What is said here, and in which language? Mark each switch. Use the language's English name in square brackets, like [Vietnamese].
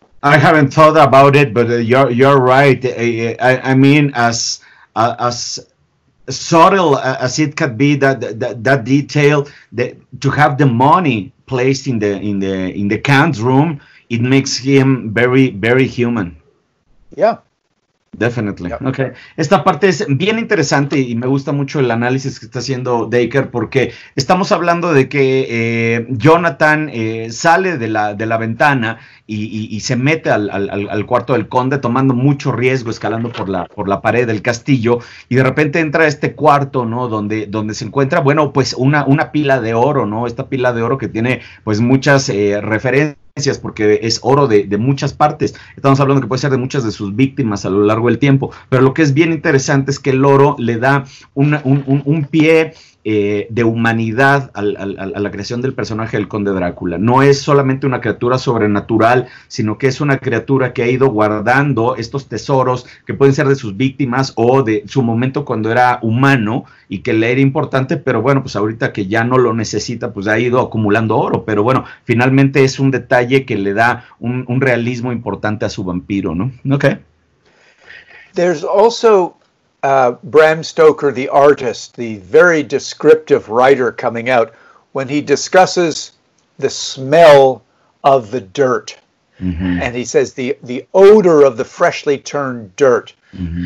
[English] I haven't thought about it, but you're right. I mean, as subtle as it could be, that detail, that to have the money placed in the Count's room, it makes him very, very human. Yeah. Definitely. Yep. Okay. [Spanish] Esta parte es bien interesante y me gusta mucho el análisis que está haciendo Dacre, porque estamos hablando de que Jonathan sale de la ventana y se mete al cuarto del conde, tomando mucho riesgo, escalando por la pared del castillo, y de repente entra a este cuarto, ¿no? Donde se encuentra, bueno, pues una pila de oro, ¿no? Esta pila de oro que tiene pues muchas referencias, porque es oro de muchas partes. Estamos hablando que puede ser de muchas de sus víctimas a lo largo del tiempo, pero lo que es bien interesante es que el oro le da un pie de humanidad a la creación del personaje del Conde Drácula. No es solamente una criatura sobrenatural, sino que es una criatura que ha ido guardando estos tesoros que pueden ser de sus víctimas o de su momento cuando era humano y que le era importante, pero bueno, pues ahorita que ya no lo necesita, pues ha ido acumulando oro. Pero bueno, finalmente es un detalle que le da un realismo importante a su vampiro, ¿no? [English] Ok. There's also Bram Stoker, the artist, the very descriptive writer coming out, when he discusses the smell of the dirt. Mm-hmm. And he says the odor of the freshly turned dirt, mm-hmm.